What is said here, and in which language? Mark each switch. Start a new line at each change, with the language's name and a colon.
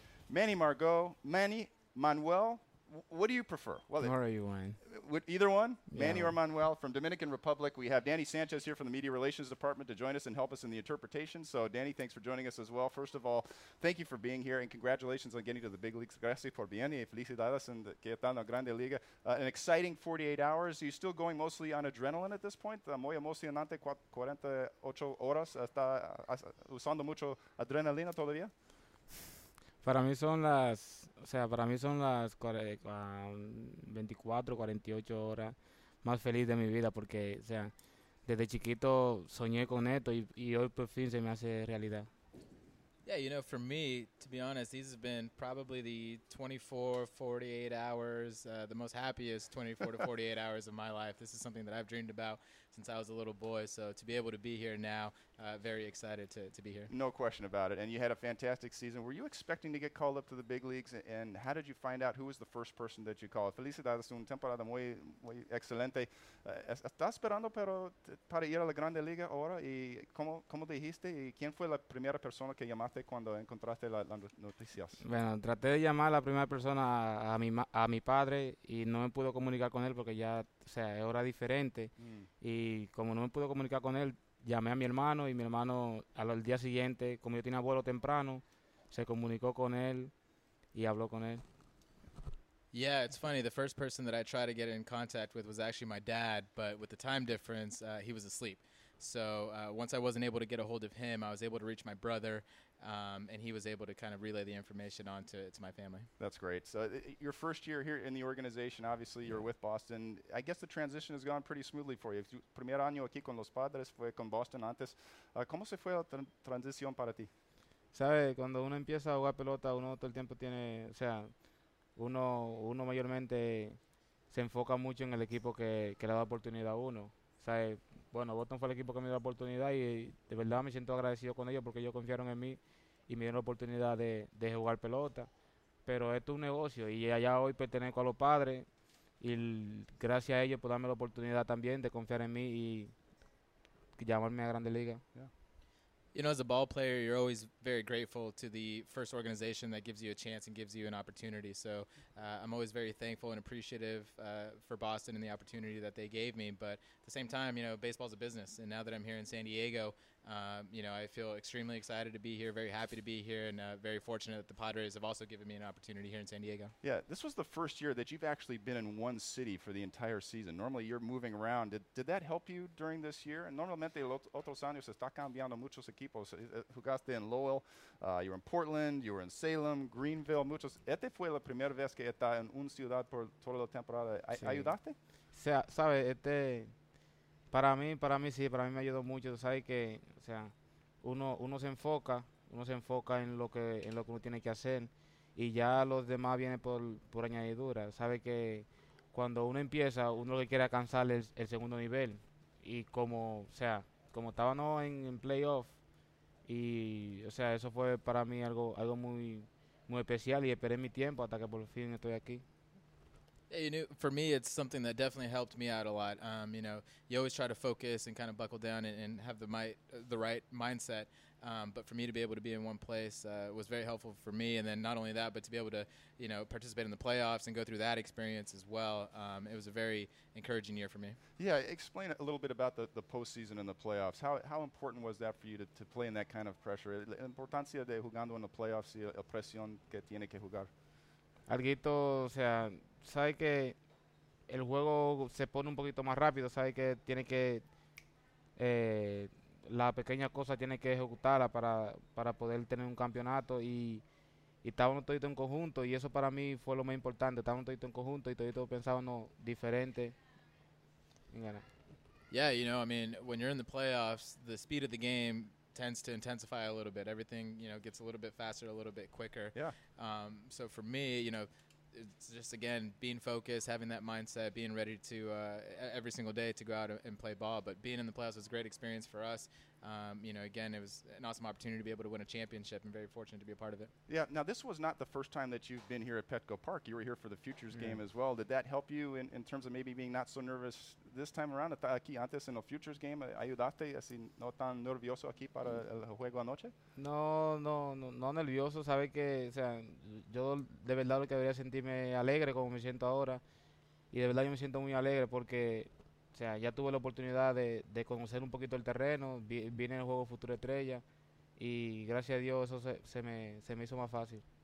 English: Manny Margot, Manny Manuel. What do you prefer? Well, who are you, Wayne? Either one, yeah. Manny or Manuel from Dominican Republic. We have Danny Sanchez here from the Media Relations Department to join us and help us in the interpretation. So, Danny, thanks for joining us as well. First of all, thank you for being here and congratulations on getting to the big leagues.
Spanish: Gracias por bien y felicidades en que están la grande liga.
English: An exciting 48 hours. Are you still going mostly on adrenaline at this point?
Spanish: Muy emocionante 48 horas. ¿Está usando mucho adrenalina todavía? Para mí son las, o sea, para mí son las 24, 48 horas más feliz de mi vida porque, o sea, desde chiquito soñé con esto y hoy por fin se me hace realidad.
English: Yeah, you know, for me, to be honest, these have been probably the 24, 48 hours, the most happiest 24 to 48 hours of my life. This is something that I've dreamed about since I was a little boy. So to be able to be here now, very excited to be here. No question about it. And you had a fantastic season. Were you expecting to get called up to the big leagues? And how did you find out who was the first person that you called?
Spanish: Felicidades, una temporada muy, muy excelente. ¿Estás esperando para ir a la Grande Liga ahora? ¿Y cómo dijiste? ¿Y quién fue la primera persona que llamaste? Cuando encontraste las noticias. Bueno, traté de llamar a la primera persona a mi padre y no me pudo comunicar con él porque ya, o sea, es hora diferente. Y como no me pudo comunicar con él, llamé a mi hermano y mi hermano al día siguiente, como yo tenía vuelo temprano, se comunicó con él y habló con él.
English: Yeah, it's funny. The first person that I tried to get in contact with was actually my dad, but with the time difference, he was asleep. So once I wasn't able to get a hold of him, I was able to reach my brother, and he was able to kind of relay the information on to my family. That's great. So your first year here in the organization, obviously you're with Boston. I guess the transition has gone pretty smoothly for you.
Spanish: Primer año aquí con los Padres fue con Boston antes. ¿Cómo se fue la transición para ti? Sabe, cuando uno empieza a jugar pelota, uno todo el tiempo tiene, o sea, uno mayormente se enfoca mucho en el equipo que le da oportunidad a uno. ¿Sabe? Bueno, Boston fue el equipo que me dio la oportunidad y de verdad me siento agradecido con ellos porque ellos confiaron en mí y me dieron la oportunidad de jugar pelota. Pero esto es un negocio y allá hoy pertenezco a los Padres y gracias a ellos por darme la oportunidad también de confiar en mí y llamarme a Grandes Ligas.
English: Yeah. You know, as a ball player, you're always very grateful to the first organization that gives you a chance and gives you an opportunity. So I'm always very thankful and appreciative for Boston and the opportunity that they gave me. But at the same time, you know, baseball's a business. And now that I'm here in San Diego, you know, I feel extremely excited to be here, very happy to be here, and very fortunate that the Padres have also given me an opportunity here in San Diego. Yeah, this was the first year that you've actually been in one city for the entire season. Normally, you're moving around. Did that help you during this year?
Spanish: Normalmente, otros años está cambiando muchos equipos. Jugaste en Lowell,
English: you were in Portland, you were in Salem, Greenville,
Spanish: muchos. Este fue la primera vez que está en una ciudad por toda la temporada. Sí. ¿Ayudaste? Sabe, este... Para mí sí, para mí me ayudó mucho. Tú sabes que, o sea, uno se enfoca en lo que uno tiene que hacer y ya los demás vienen por añadidura. Sabes que cuando uno empieza, uno lo que quiere alcanzar es el segundo nivel. Y como, o sea, como estábamos en playoff, y, o sea, eso fue para mí algo muy, muy especial y esperé mi tiempo hasta que por fin estoy aquí.
English: You know, for me, it's something that definitely helped me out a lot. You know, you always try to focus and kind of buckle down and have the right mindset. But for me to be able to be in one place was very helpful for me. And then not only that, but to be able to, you know, participate in the playoffs and go through that experience as well. It was a very encouraging year for me. Yeah, explain a little bit about the postseason and the playoffs. How important was that for you to play in that kind of pressure?
Spanish: La importancia de jugando en los playoffs y la presión que tiene que jugar. Alguito, o sea, sabe que el juego se pone un poquito más rápido, sabe que tiene que la pequeña cosa tiene que ejecutarla para poder tener un campeonato y estábamos todito en conjunto y eso para mí fue lo más importante, estábamos todito en conjunto y todito pensábamos diferente.
English: Yeah, you know, I mean, when you're in the playoffs, the speed of the game tends to intensify a little bit. Everything, you know, gets a little bit faster, a little bit quicker. Yeah. So for me, you know, it's just, again, being focused, having that mindset, being ready to every single day to go out and play ball. But being in the playoffs was a great experience for us. You know, again, it was an awesome opportunity to be able to win a championship and very fortunate to be a part of it. Yeah. Now, this was not the first time that you've been here at Petco Park. You were here for the Futures game as well. Did that help you in terms of maybe being not so nervous this time around?
Spanish: Aquí antes en el Futures game, ¿ayudaste así no tan nervioso aquí para el juego anoche? No nervioso. Sabe que, o sea, yo de verdad lo que debería sentirme alegre como me siento ahora. Y de verdad yo me siento muy alegre porque... O sea, ya tuve la oportunidad de conocer un poquito el terreno, vine en el juego Futura Estrella, y gracias a Dios eso se me hizo más fácil.